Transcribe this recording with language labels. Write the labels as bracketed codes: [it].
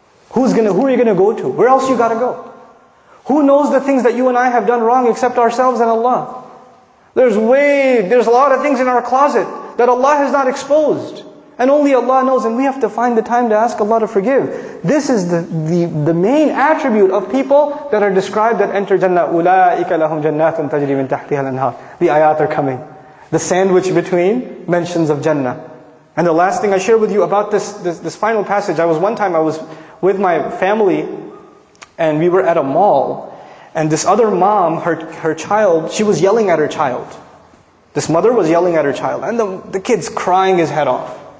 [en] Who are you gonna go to? Where else you gotta go? Who knows the things that you and I have done wrong except ourselves and Allah? There's a lot of things in our closet that Allah has not exposed. And only Allah knows, and we have to find the time to ask Allah to forgive. This is the main attribute of people that are described that enter Jannah. [ar] أُولَٰئِكَ لَهُمْ جَنَّاتٌ تَجْرِي مِنْ تَحْتِهَا الْأَنْهَارِ [en] The ayat are coming. The sandwich between mentions of Jannah. And the last thing I share with you about this final passage, I was with my family, and we were at a mall, and this other mom, her child, she was yelling at her child. This mother was yelling at her child, and the kid's crying his head off.